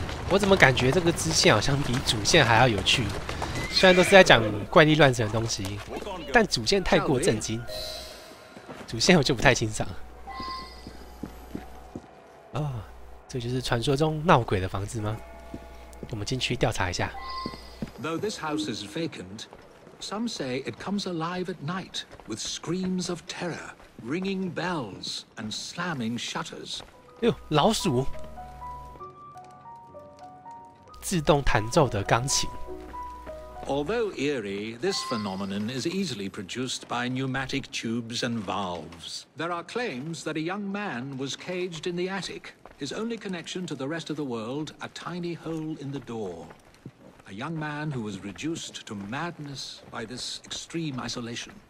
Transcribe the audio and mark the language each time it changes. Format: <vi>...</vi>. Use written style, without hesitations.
<zh>我怎么感觉这个支线好像比主线还要有趣？虽然都是在讲怪力乱神的东西，但主线太过震惊，主线我就不太欣赏。哦，这就是传说中闹鬼的房子吗？我们进去调查一下。</zh> <en>Though this house is vacant, some say it comes alive at night with screams of terror, ringing bells and slamming shutters.</en> <zh>哟，老鼠，自动弹奏的钢琴。</zh> <en>Although eerie, this phenomenon is easily produced by pneumatic tubes and valves. There are claims that a young man was caged in the attic, his only connection to the rest of the world, a tiny hole in the door. A young man who was reduced to madness by this extreme isolation.</en>